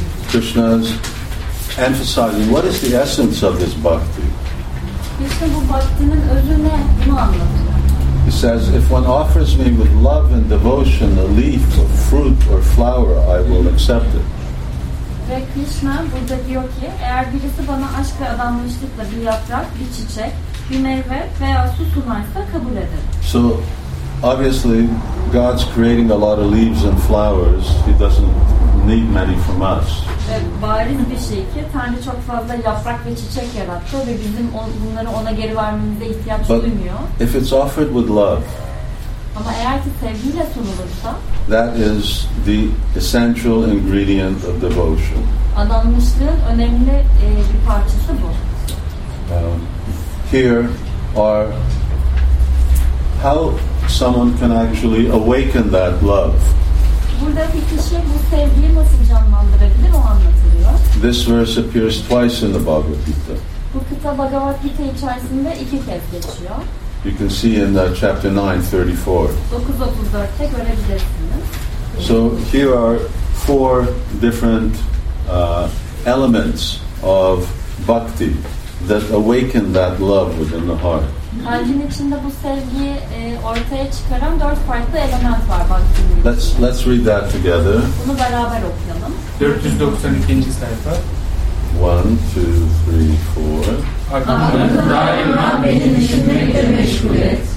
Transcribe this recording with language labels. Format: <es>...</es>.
<en>Krishna's emphasizing what is the essence of this bhakti.</en> <tr>İşte bu bhaktinin özü ne? Bunu anlatıyor.</tr> <en>He says, if one offers me with love and devotion a leaf or fruit or flower, I will accept it.</en> <tr>Ve Krishna burada diyor ki, eğer birisi bana aşk ve adanmışlıkla bir yaprak, bir çiçek, bir meyve veya su sunarsa kabul ederim.</tr> <en>So obviously God's creating a lot of leaves and flowers. He doesn't need many from us.</en> <tr>Bariz bir şey ki Tanrı çok fazla yaprak ve çiçek yarattı ve bizim bunları ona geri vermemize ihtiyaç duymuyor.</tr> <en>If it's offered with love.</en> <tr>Ama eğer ki sevgiyle sunulursa.</tr> <en>That is the essential ingredient of devotion.</en> <tr>Adanmışlığın önemli bir parçası bu.</tr> <en>Here are how someone can actually awaken that love.</en> <tr>Burada bir kişi bu sevgiyi nasıl canlandırabilir o anlatılıyor.</tr> <en>This verse appears twice in the Bhagavad Gita.</en> <tr>Bu kıta Bhagavad Gita içerisinde iki kez geçiyor.</tr> <en>You can see in chapter 9:34.</en> <tr>9:34'te görebilirsiniz. So here are four different elements of bhakti that awaken that love within the heart. Kalbin içinde bu sevgiyi ortaya çıkaran dört farklı element var baktığımız. Let's read that together. Bunu beraber okuyalım. 492. sayfa. 1, 2, 3, 4. Daima benim düşünmekle meşgul et.</tr>